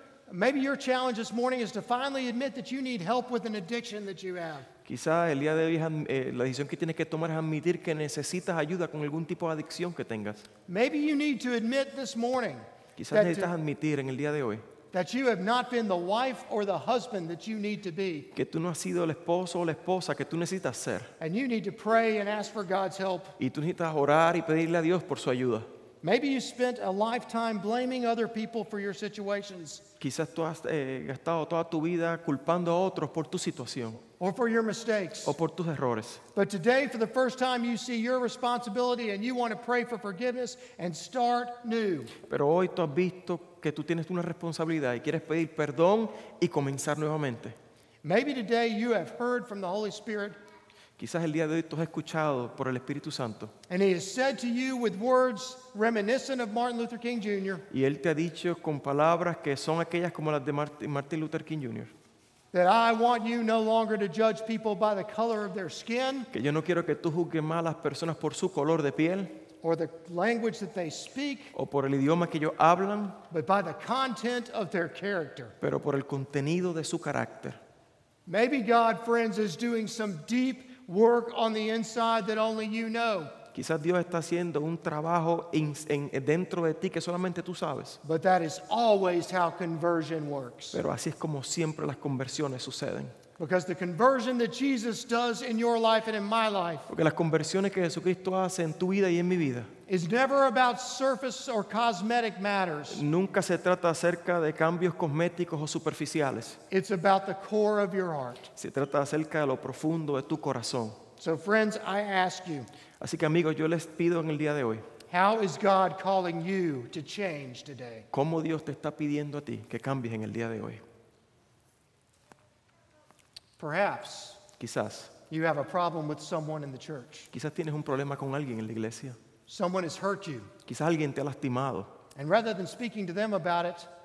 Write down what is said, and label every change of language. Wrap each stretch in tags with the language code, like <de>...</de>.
<en>Maybe your challenge this morning is to finally admit that you need help with an addiction that you have.</en> <es>Quizá el día de hoy la decisión que tienes que tomar es admitir que necesitas ayuda con algún tipo de adicción que tengas.</es> <en>Maybe you need to admit this morning.</en> <es>Quizás necesitas admitir en el día de hoy.</es> <en>That you have not been the wife or the husband that you need to be.</en> <es>Que tú no has sido el esposo o la esposa que tú necesitas ser.</es> <en>And you need to pray and ask for God's help.</en> <es>Y tú necesitas orar y pedirle a Dios por su ayuda.</es> <en>Maybe you spent a lifetime blaming other people for your situations.</en> <es>Quizás tú has gastado toda tu vida culpando a otros por tu situación.</es> <en>Or for your mistakes.</en> <es>O por tus errores.</es> <en>But today, for the first time, you see your responsibility and you want to pray for forgiveness and start new.</en> <es>Pero hoy tú has visto que tú tienes una responsabilidad y quieres pedir perdón y comenzar nuevamente.</es> <en>Maybe today you have heard from the Holy Spirit.</en> <es>Quizás el día de hoy tú has escuchado por el Espíritu Santo.</es> <en>And he has said to you with words reminiscent of Martin Luther King Jr.</en> <es>Y él te ha dicho con palabras que son aquellas como las de Martin Luther King Jr.</es> <en>That I want you no longer to judge people by the color of their skin.</en> <es>Que yo no quiero que tú juzgues más a las personas por su color de piel.</es> <en>Or the language that they speak,</en> <es>o por el idioma que ellos hablan,</es> <en>but by the content of their character.</en> <es>Pero por el contenido de su carácter.</es> <en>Maybe God, friends, is doing some deep work on the inside that only you know.</en> <es>Quizás Dios está haciendo un trabajo dentro de ti que solamente tú sabes.</es> <en>But that is always how conversion works.</en> <es>Pero así es como siempre las conversiones suceden.</es> <en>Because the conversion that Jesus does in your life and in my life,</en> <es>porque las conversiones que Jesucristo hace en tu vida y en mi vida,</es> <en>is never about surface or cosmetic matters.</en> <es>Nunca se trata acerca de cambios cosméticos o superficiales.</es> <en>It's about the core of your heart.</en> <es>Se trata acerca de lo profundo de tu corazón.</es> <en>So friends, I ask you,</en> <es>así que amigos, yo les pido en el día de hoy,</es> <en>how is God calling you to change today?</en> <es>¿Cómo Dios te está pidiendo a ti que cambies en el día de hoy?</es> <en>Perhaps,</en> <es>quizás,</es> <en>you have a problem with someone in the church.</en> <es>Quizás tienes un problema con alguien en la iglesia.</es> <en>Someone has hurt you.</en> <es>Quizás alguien te ha lastimado.</es> <en>And rather than speaking to them about it,</en>